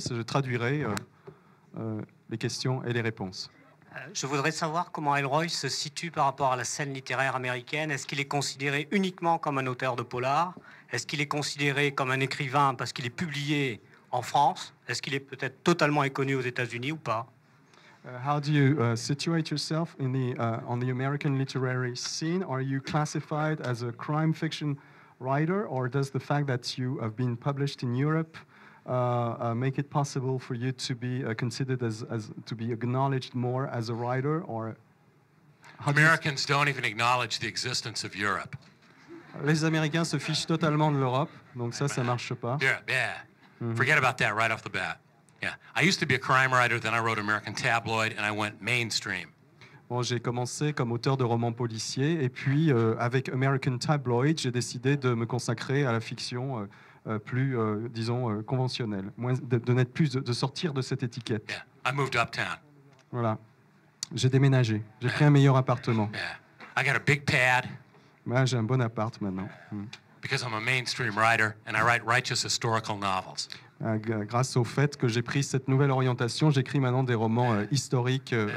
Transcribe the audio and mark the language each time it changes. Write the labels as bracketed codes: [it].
[fr] Je traduirai les questions et les réponses. Je voudrais savoir comment Elroy se situe par rapport à la scène littéraire américaine. Est-ce qu'il est considéré uniquement comme un auteur de polar ? Est-ce qu'il est considéré comme un écrivain parce qu'il est publié en France ? Est-ce qu'il est peut-être totalement inconnu aux États-Unis ou pas ? [en] How do you situate yourself in the on the American literary scene? Are you classified as a crime fiction writer, or does the fact that you have been published in Europe make it possible for you to be considered as to be acknowledged more as a writer? Or Americans don't even acknowledge the existence of Europe. [fr] Les Américains se fichent totalement de l'Europe, donc ça marche pas. [en] Yeah. Mm-hmm. Forget about that right off the bat. Yeah, I used to be a crime writer, then I wrote American Tabloid, and I went mainstream. [fr] Bon, j'ai commencé comme auteur de romans policiers, et puis avec American Tabloid, j'ai décidé de me consacrer à la fiction plus, disons, conventionnelle, de sortir de cette étiquette. [en] Yeah, I moved uptown. [fr] Voilà, j'ai déménagé, j'ai pris un meilleur appartement. [en] Yeah, I got a big pad. [fr] Ben, j'ai un bon appart maintenant. [en] Because I'm a mainstream writer, and I write righteous historical novels. [fr] Grâce au fait que j'ai pris cette nouvelle orientation, j'écris maintenant des romans historiques.